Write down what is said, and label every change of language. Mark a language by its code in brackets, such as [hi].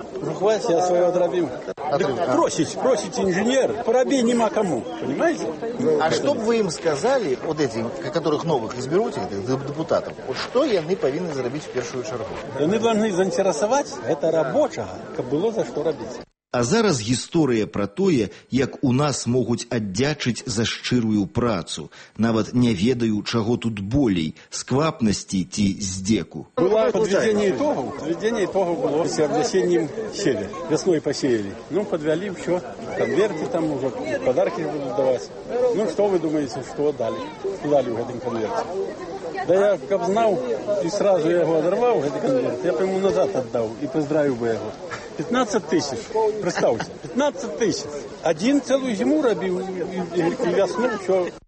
[ru] Ну, хватит, я свое отробил. Просить инженер, поробей нема кому. Понимаете? А что бы вы им сказали, вот этим, которых новых изберут, этих депутатов, вот что они должны заробить в первую очередь? Они должны заинтересовать это рабочего, как было за что робить. [be] А зараз гісторыя пра тое, як у нас могуць аддзячыць за шчырую працу, нават не ведаю, чаго тут болей, сквапнасці ці здзеку. Было падвядзенне ітогаў было з вясеннім севе, вясной пасеялі. Ну, падвялі ўсё, канверты там ўжо, падаркі будуць даваць. Ну, што вы думаеце, што далі? Далі ў гэтым канверце? Да я, каб знаў, і сразу яго адарваў, гэты канверт, я б яму назад аддаў і паздравіў бы яго. [ru] 15 тысяч, представьте, 15 тысяч. Один целую зиму робил и весну, что...